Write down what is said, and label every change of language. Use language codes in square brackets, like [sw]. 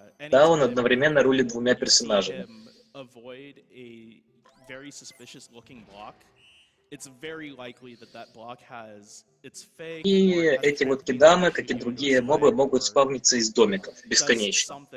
[ru] Да, он одновременно рулит двумя персонажами. [en] Avoid a very suspicious looking block. It's very likely that that block has its fake. [ru] И эти вот кидамы, как и другие мобы, могут спавниться из домиков бесконечно.